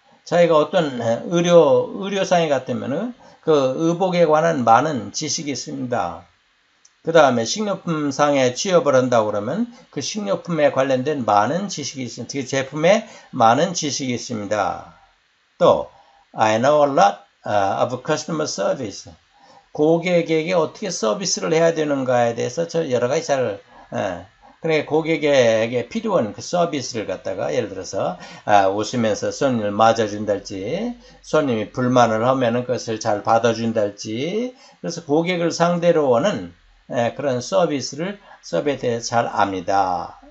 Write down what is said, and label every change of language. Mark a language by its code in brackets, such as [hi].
[ko] 자기가 어떤 의료상에 갔다면은 그 의복에 관한 많은 지식이 있습니다. 그 다음에 식료품상에 취업을 한다고 그러면 그 식료품에 관련된 많은 지식이 있습니다. 그 제품에 많은 지식이 있습니다. [en] 또, I know a lot of customer service. [ko] 고객에게 어떻게 서비스를 해야 되는가에 대해서 저 여러 가지 잘 그래, 고객에게 필요한 그 서비스를 갖다가, 예를 들어서, 아, 웃으면서 손님을 맞아준달지, 손님이 불만을 하면은 그것을 잘 받아준달지, 그래서 고객을 상대로 하는 그런 서비스를 서비스에 대해 잘 압니다.